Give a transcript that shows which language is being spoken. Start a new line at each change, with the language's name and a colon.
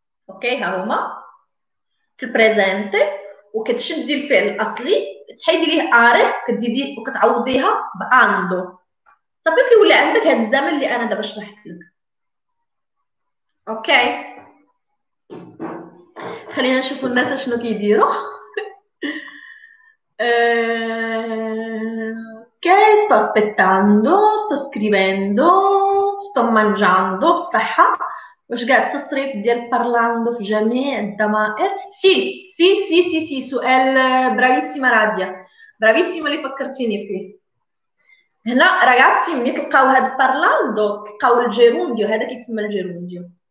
Arabic: اوكي ها هما في البريزنتي، وكتشدي الفعل الاصلي كتحيدي ليه اري كتزيدي وكتعوضيها باندو، صافي كيولي عندك هذا الزمن اللي انا دابا شرحت لك. اوكي خلينا نشوف الناس شنو كيديروا.
Italian: اوكي sto aspettando sto scrivendo sto mangiando
Arabic: بصحة. واش قاعد التصريف ديال parlando في جميع الضمائر؟ سي سي سي سي سي سؤال برافيسيما راديا، برافيسيما اللي فكرتيني فيه. هنا راجعتي ملي تلقاو هاد parlando تلقاو الجيرونديو، هذا كيتسمى الجيرونديو.